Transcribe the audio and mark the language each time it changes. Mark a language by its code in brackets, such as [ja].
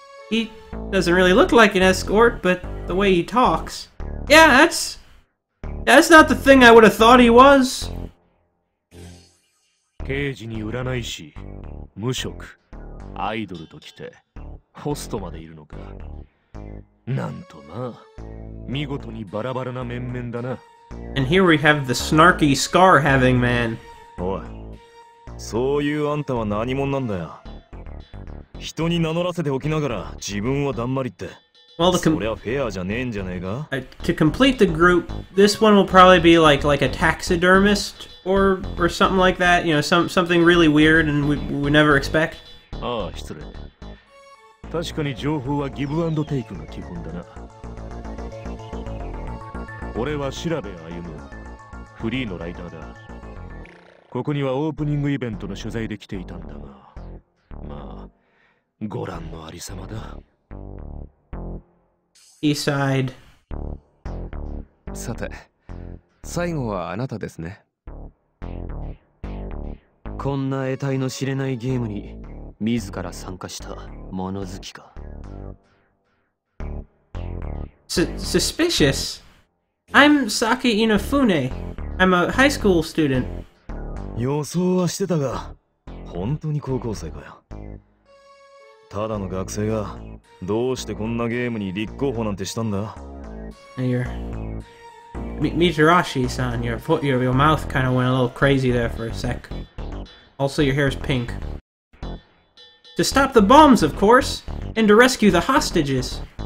[en] He doesn't really look like an escort, but the way he talks... Yeah, that's not the thing I would have thought he was. [ja] Keiji に占い師、無職、アイドルと来て、ホストまでいるのか。なんとな、見事にバラバラな面々だな。 [en] And here we have the snarky scar having man. [ja] おい、そういうあんたは何者なんだよ。人に名乗らせておきながら自分はだんまりって。 [en] Well, [ja] それはフェアじゃねえんじゃねえか。 [en] To complete the group, this one will probably be like a taxidermist or something like that. You know, something really weird and we never expect. [ja] ああ、失礼。確かに情報はギブアンドテイクが基本だな。俺は調べ歩む、フリーのライターだ。ここにはオープニングイベントの取材で来ていたんだが、まあご覧のありさまだ。 [en] He sighed. [ja] さて、最後はあなたですね。こんな得体の知れないゲームに自ら参加した物好きか。 [en] Suspicious. I'm Saki Inafune. I'm a high school student. [ja] 予想はしてたが、本当に高校生かよ。ただの学生がどうしてこんなゲームに立候補なんてしたんだ。 [en] Mitarashi-san, your mouth kind of went a little crazy there for a sec. Also, your hair is pink. To stop the bombs, of course, and to rescue the hostages.